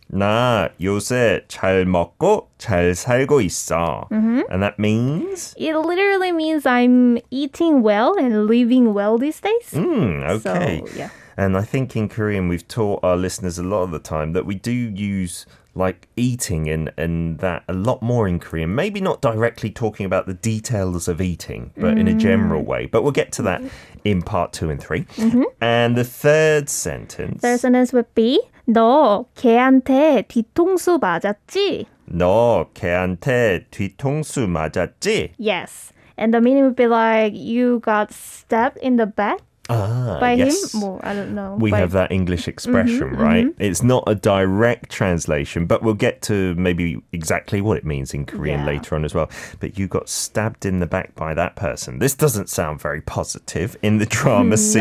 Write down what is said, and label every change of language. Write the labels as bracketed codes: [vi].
[ko] 나 요새 잘 먹고 잘 살고 있어. Mm-hmm. [en] And that means? It literally means I'm eating well and living well these days. Mm, okay. So, yeah. And I think in Korean, we've taught our listeners a lot of the time that we do use like eating and that a lot more in Korean. Maybe not directly talking about the details of eating, but in a general way. But we'll get to that in part two and three. Mm-hmm. And the third sentence. Third sentence would be, [ko] 너 걔한테 뒤통수 맞았지? 너 걔한테 뒤통수 맞았지? [en] Yes. And the meaning would be like, you got stabbed in the back. By him? Well, I don't know. We have that English expression, mm-hmm, right? Mm-hmm. It's not a direct translation, but we'll get to maybe exactly what it means in Korean later on as well. But you got stabbed in the back by that person. This doesn't sound very positive in the drama scene.